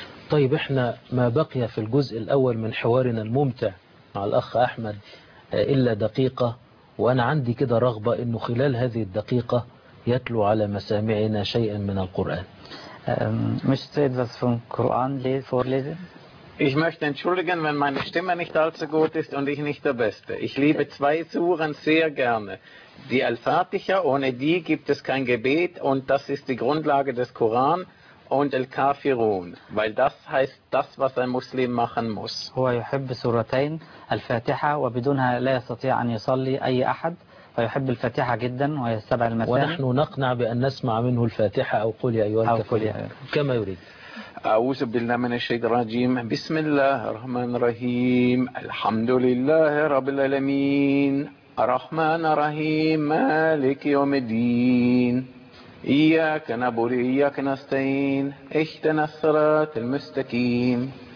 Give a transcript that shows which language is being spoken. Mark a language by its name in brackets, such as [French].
[Arabic] طيب احنا ما بقي في الجزء الاول من حوارنا الممتع مع الاخ احمد الا دقيقه وأنا عندي كده رغبة إنه خلال هذه الدقيقة يتلو على مسامعنا شيئا من القرآن. مش تريد بس من القرآن لي فورليزن؟ [German] Ich möchte entschuldigen, wenn meine Stimme nicht allzu gut ist und ich nicht der Beste. Ich liebe zwei Suren sehr gerne. Die Al-Fatiha, ohne die gibt es kein Gebet und das ist die Grundlage des Koran und Al-Kafirun, weil das heißt das, was ein Muslim machen muss. [Arabic] هو يحب سورتين الفاتحة وبدونها لا يستطيع أن يصلي أي أحد فيحب الفاتحة جدا وهي السبع المثاني ونحن نقنع بأن نسمع منه الفاتحة أو قل يا أيها الكافرون كما يريد أعوذ بالله من الشيطان الرجيم بسم الله الرحمن الرحيم الحمد لله رب العالمين الرحمن الرحيم مالك يوم الدين إياك نعبد وإياك نستعين اهدنا الصراط المستقيم